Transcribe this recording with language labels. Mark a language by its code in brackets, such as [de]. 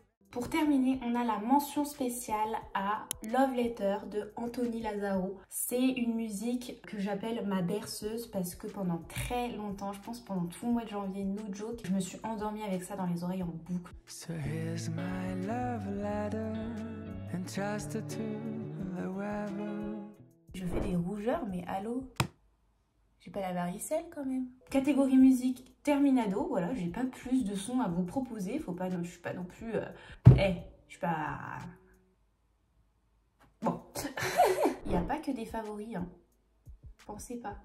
[fr] Pour terminer, on a la mention spéciale à Love Letter de Anthony Lazzaro. C'est une musique que j'appelle ma berceuse parce que pendant très longtemps, je pense pendant tout le mois de janvier, [en] no joke, [fr] je me suis endormie avec ça dans les oreilles en boucle. [en] So here's my love letter, entrusted to the weather. [fr] Je fais des rougeurs, mais allô? J'ai pas la varicelle quand même. Catégorie musique terminado, voilà, j'ai pas plus de sons à vous proposer. Faut pas, non, je suis pas non plus... je suis pas... Bon. Y a pas que des favoris, hein. Pensez pas.